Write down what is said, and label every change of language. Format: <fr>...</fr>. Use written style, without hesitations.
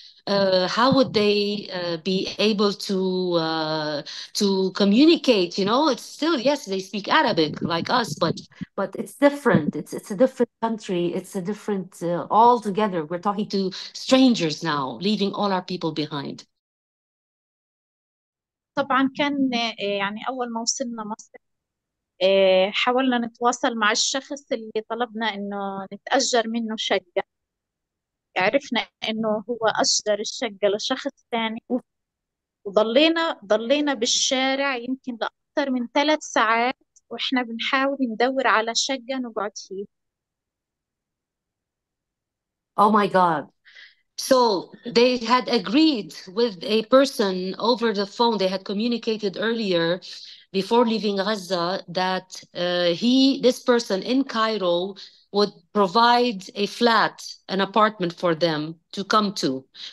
<en>How would they be able to communicate? You know, it's still, yes, they speak Arabic like us, but it's different. It's a different country. It's a different altogether. We're talking to strangers now, leaving all our people behind.</en> <ar>طبعا كان يعني أول ما وصلنا مصر حاولنا نتواصل مع الشخص اللي طلبنا إنه نتأجر منه شقة، عرفنا إنه هو أجر الشقة لشخص تاني، وضلينا بالشارع يمكن لأكثر من 3 ساعات وإحنا بنحاول ندور على شقة نقعد فيه.</ar> <en>Oh my God. So they had agreed with a person over the phone. They had communicated earlier before leaving Gaza that this person in Cairo would provide a flat, an apartment for them to come to.</en>